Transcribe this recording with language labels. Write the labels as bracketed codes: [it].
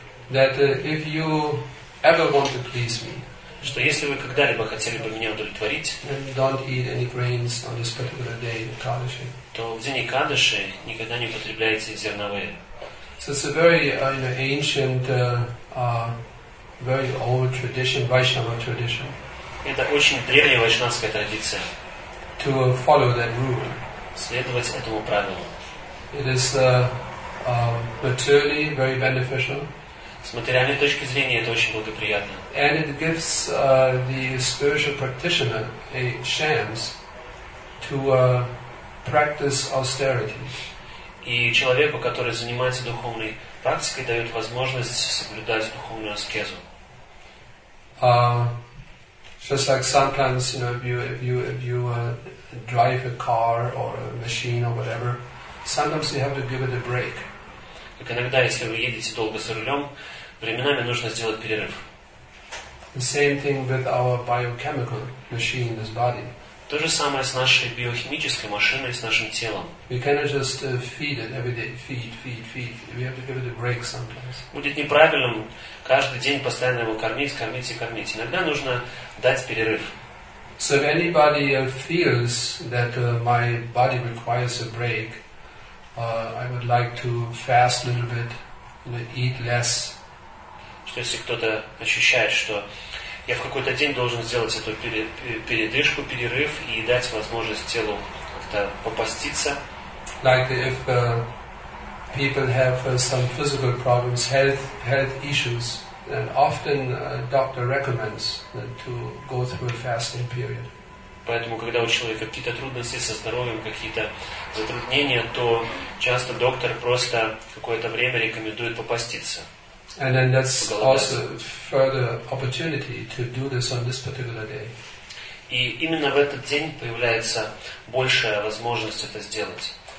[en] That if you ever want to please me, [ru] что если вы когда-либо хотели бы меня удовлетворить, [en] then don't eat any grains on this particular day in Kadashi. [ru] То в день Экадаши никогда не употребляйте зерновые. [en] So it's a very ancient, very old tradition, Vaishnava tradition. [ru] Это очень древняя вайшнавская традиция. [en] To follow that rule. [ru] Следовать этому правилу. [en] It is materially very beneficial. [ru] С материальной точки зрения это очень благоприятно. [en] And it gives the spiritual practitioner a chance to practice austerity. [ru] И человеку, который занимается духовной практикой, дает возможность соблюдать духовную аскезу. [en] Just like sometimes, you know, if you drive a car or a machine or whatever, sometimes you have to give it a break. [ru] Как иногда, если вы едете долго за рулем, временами нужно сделать перерыв. [en] The same thing with our biochemical machine, this body. [ru] То же самое с нашей биохимической машиной, с нашим телом. [en] We cannot just feed it every day, feed. We have to give it a break sometimes. [ru] Будет неправильным каждый день постоянно его кормить. Иногда нужно дать перерыв. [en] So if anybody feels that my body requires a break, I would like to fast a little bit, eat less. [ru] Что если кто-то ощущает, что я в какой-то день должен сделать эту передышку, перерыв и дать возможность телу как-то попаститься. [en] Like if people have some physical problems, health issues, then often doctor recommends to go through a fasting period. [ru] Поэтому, когда у человека какие-то трудности со здоровьем, какие-то затруднения, то часто доктор просто какое-то время рекомендует попаститься. [en] And then that's also further opportunity to do this on this particular day. [ru] И именно в этот день появляется большая возможность это сделать.